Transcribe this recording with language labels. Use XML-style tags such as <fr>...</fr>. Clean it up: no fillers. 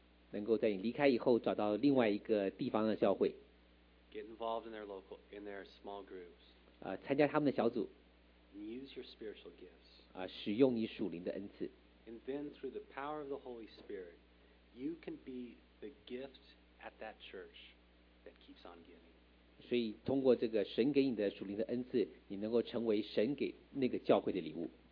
<zh>能够在你离开以后找到另外一个地方的教会。</zh> <en>Get involved in their small groups.</en> <zh>参加他们的小组。</zh> <en>Use your spiritual gifts.</en> <zh>使用你属灵的恩赐。</zh> <en>And then through the power of the Holy Spirit, you can be the gift at that church that keeps on giving.</en> <zh>所以通过这个神给你的属灵的恩赐，你能够成为神给那个教会的礼物。</zh>